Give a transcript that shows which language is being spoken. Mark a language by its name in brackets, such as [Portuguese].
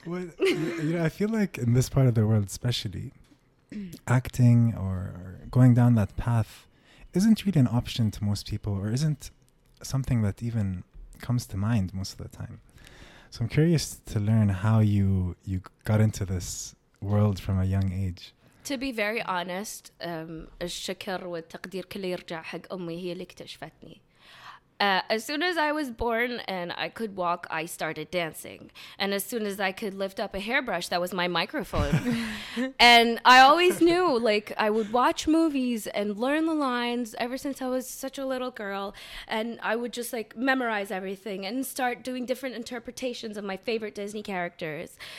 [English] Well, you know, I feel like in this part of the world, especially acting or going down that path, isn't really an option to most people, or isn't something that even comes to mind most of the time. So I'm curious to learn how you got into this world from a young age. To be very honest, [Arabic] الشكر والتقدير كله يرجع حق أمي، هي اللي اكتشفتني. [English] As soon as I was born and I could walk, I started dancing. And as soon as I could lift up a hairbrush, that was my microphone. And I always knew, like, I would watch movies and learn the lines ever since I was such a little girl. And I would just, like, memorize everything and start doing different interpretations of my favorite Disney characters.